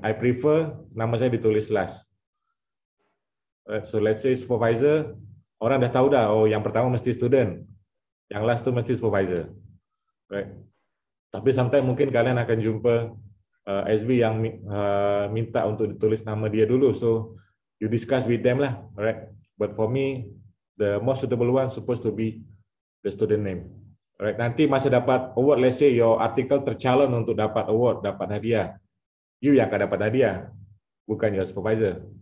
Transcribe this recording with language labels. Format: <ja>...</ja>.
<en>I prefer</en> <ms>nama saya ditulis</ms> <en>last. Right. So let's say supervisor,</en> <ms>orang dah tahu dah, oh yang pertama mesti student, yang last tu mesti supervisor.</ms> <en>Right.</en> <ms>Tapi sometimes mungkin kalian akan jumpa SB yang minta untuk ditulis nama dia dulu.</ms> <en>So you discuss with them lah. Right. But for me, the most suitable one supposed to be the student name. Right,</en> <ms>nanti masa dapat award,</ms> <en>let's say your article</en> <ms>tercalon untuk dapat award, dapat hadiah.</ms> <en>you</en> <ms>yang akan dapat hadiah, bukan</ms> <en>your supervisor.</en>